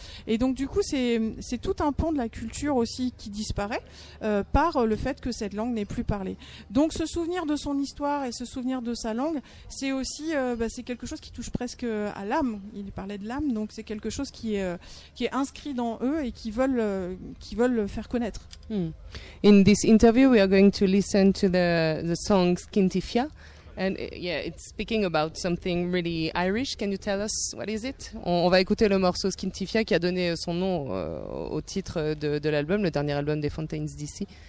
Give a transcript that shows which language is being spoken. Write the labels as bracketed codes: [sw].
[fr] Et donc, du coup, c'est tout un pan de la culture aussi qui disparaît par le fait que cette langue n'est plus parlée. Donc, se souvenir de son histoire et se souvenir de sa langue, c'est aussi c'est quelque chose qui touche presque à l'âme. Il parlait de l'âme, donc c'est quelque chose qui est inscrit dans eux et qui veulent faire connaître. [en] In this interview we are going to listen to the song Skintifia, and it's speaking about something really Irish. Can you tell us what is it? [fr] On va écouter le morceau Skintifia qui a donné son nom au titre de l'album, le dernier album des Fontaines D.C.